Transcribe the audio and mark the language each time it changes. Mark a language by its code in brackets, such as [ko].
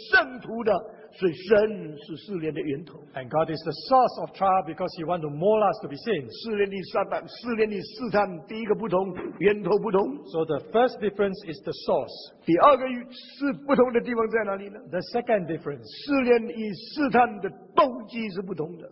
[zh] 上帝是主动磨练我们，使我们变成圣徒的，所以神是试炼的源头。 [en] And God is the source of trial because he wants to mold us to be saints. [zh] 试炼的撒旦，试炼的试探，第一个不同，源头不同。 [en] So the first difference is the source. [zh] 第二个是不同的地方在哪里呢？ [en] The second difference. [zh] 试炼与试探的动机是不同的。